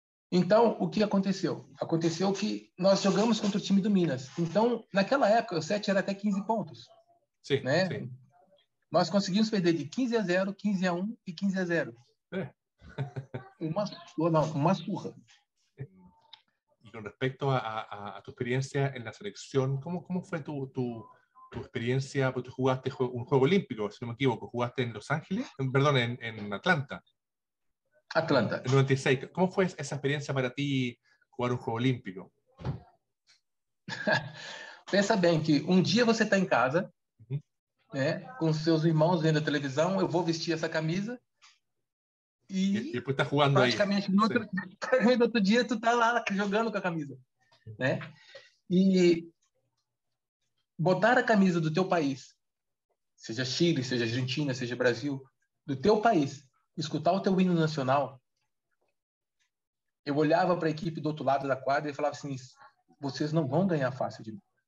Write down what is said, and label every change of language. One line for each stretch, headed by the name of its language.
Portuguese: Então, o que aconteceu? Aconteceu que nós jogamos contra o time do Minas. Então, naquela época, o set era até 15 pontos. Sim, né? Sim. Nós conseguimos perder de 15 a 0, 15 a 1 e 15 a 0. É. uma surra.
Spanish: Con respecto a tu experiencia en la selección, ¿cómo fue tu experiencia? Porque tú jugaste un juego olímpico, si no me equivoco, jugaste en Los Ángeles, en Atlanta. Atlanta. En 96. ¿Cómo fue esa experiencia para ti jugar un juego olímpico? Pensa bien que un día
Portuguese: você
Spanish: está en casa, né, con sus hermanos viendo televisión, yo voy a vestir esa camisa.
Portuguese: E depois tá jogando praticamente aí. No outro dia tu tá lá jogando com a camisa, né? E botar a camisa do teu país seja Chile, seja Argentina, seja Brasil, do teu país, escutar o teu hino nacional, eu olhava para a equipe do outro lado da quadra e falava assim, vocês não vão ganhar fácil de mim.